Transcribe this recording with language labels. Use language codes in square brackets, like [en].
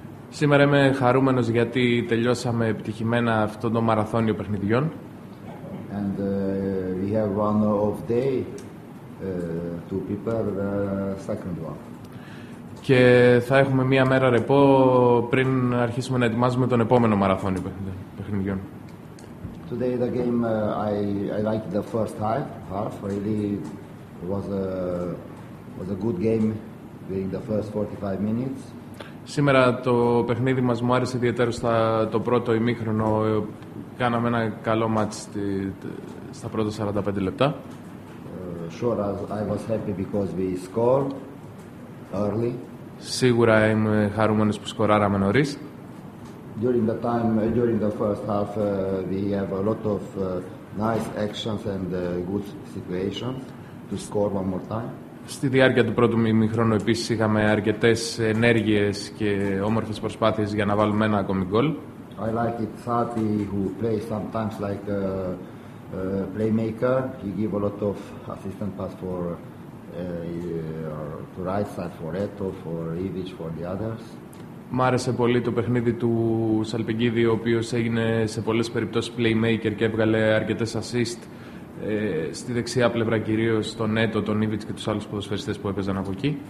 [el] Σήμερα είμαι χαρούμενος γιατί τελειώσαμε επιτυχημένα αυτό το μαραθώνιο παιχνιδιών. [en] And we have one off day to prepare the second one. [el] Και θα έχουμε μία μέρα ρεπό πριν αρχίσουμε να ετοιμάζουμε τον επόμενο μαραθώνιο παιχνιδιών. [en] Today the game I liked the first half. Really was a good game during the first 45 minutes. [el] Σήμερα το παιχνίδι μας μου άρεσε ιδιαίτερως το πρώτο ημίχρονο. Κάναμε ένα καλό μάτς στα πρώτα 45 λεπτά. [en] Sure, I was happy because we scored early. [el] Σίγουρα είμαι χαρούμενος που σκοράραμε νωρίς. [en] During the time, during the first half, we have a lot of nice actions and good situations to score one more time. [el] Στη διάρκεια του πρώτου ημιχρόνου επίσης είχαμε αρκετές ενέργειες και όμορφες προσπάθειες για να βάλουμε ένα ακόμη γκολ. [en] I like it Sati who plays sometimes like a playmaker. He give a lot of assistant pass for to right side for Eto, for Ivic, for the others. [el] Μ' άρεσε πολύ το παιχνίδι του Σαλπιγκίδη, ο οποίος έγινε σε πολλές περιπτώσεις playmaker και έβγαλε αρκετές assist στη δεξιά πλευρά, κυρίως τον Έτο, τον Ίβιτς και τους άλλους ποδοσφαιριστές που έπαιζαν από εκεί.